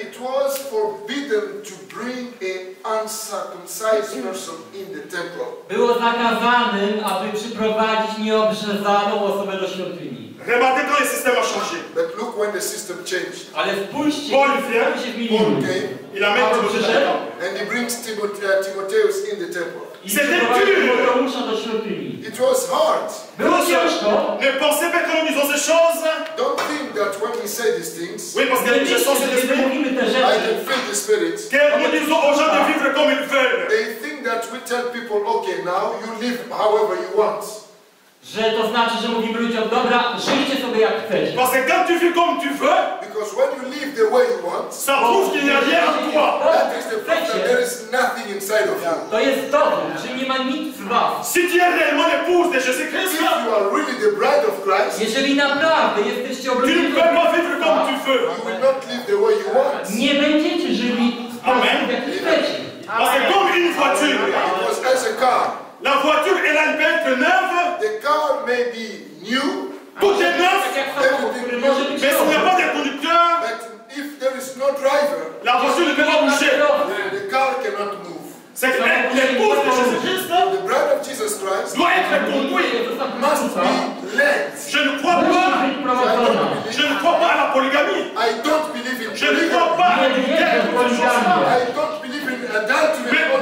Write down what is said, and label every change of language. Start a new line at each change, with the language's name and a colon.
English: It was forbidden to bring an uncircumcised person in the temple.
Polish: Było zakazane, aby przyprowadzić nieobrzezaną osobę do świątyni.
French: Remarquez quand le système a changé.
English: But look when the system changed.
Polish: Ale spójrzcie,
French: Paul vient,
English: Paul came.
French: Il amène Timothée.
English: And he brings Timotheus in the temple.
French: C'était dur.
English: It was hard.
Polish: Było ciężko.
French: Ne pensez pas que nous disons ces choses.
English: Don't think that when we say these things.
French: Oui, parce que nous disons ces choses.
English: I can feel the spirit.
French: Que nous disons aux gens de vivre comme ils veulent.
English: They think that we tell people, okay, now you live however you want.
Polish: Że to znaczy, że mówimy ludziom, dobra, żyjcie sobie jak chcecie.
French: Parce que quand tu vis comme tu veux.
English: Because when you live the way you want.
French: Ça prouve qu'il n'y a rien en toi.
English: That is the fact that there is nothing inside of you.
Polish: To jest to, że nie ma nic w was.
French: Si tu es réellement l'épouse de Jésus Christ.
English: If you are really the bride of Christ.
Polish: Jeżeli naprawdę jesteście obrodzeni.
French: Tu ne peux pas vivre comme tu veux.
English: You will not live the way you want.
Polish: Nie będziecie żyli w sposób, jak chcecie.
French: Parce que comme une voiture.
English: It was as a car.
French: La voiture, elle a une peinture neuve.
English: The car may be new.
French: Tout est neuf. Mais s'il n'y a pas de conducteur.
English: But if there is no driver.
French: La voiture ne peut pas bouger.
English: The car cannot move.
French: C'est que l'épouse de Jésus Christ.
English: The bride of Jesus Christ.
French: Doit être conduite.
English: Must be led.
French: Je ne crois pas. Je ne crois pas à la polygamie.
English: I don't believe in.
French: Je ne crois pas à la polygamie.
English: I don't believe in adultery.